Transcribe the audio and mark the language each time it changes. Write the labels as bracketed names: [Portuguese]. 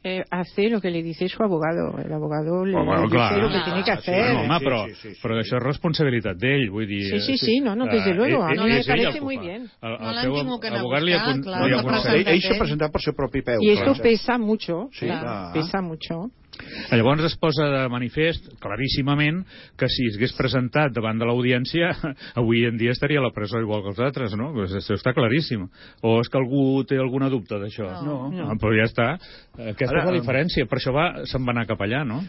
[Spanish] hace lo que le dice su abogado. El abogado lo que tiene que hacer. [Catalan] No, home, però això és responsabilitat d'ell, vull dir... [Spanish] Sí, desde luego. No le parece muy bien. [Catalan] No l'han tingut que anar a buscar, clar. Ell s'ha presentat per seu propi peu. [Spanish] I esto pesa mucho, pesa mucho. [Catalan] Llavors es posa de manifest claríssimament que si s'hagués presentat davant de l'audiència, avui en dia estaria a la presó igual que els altres, no? Pues això està claríssim. O és que algú té algun dubte d'això? No. Però ja està. Aquesta és la diferència. Per això se'n va anar cap allà, no?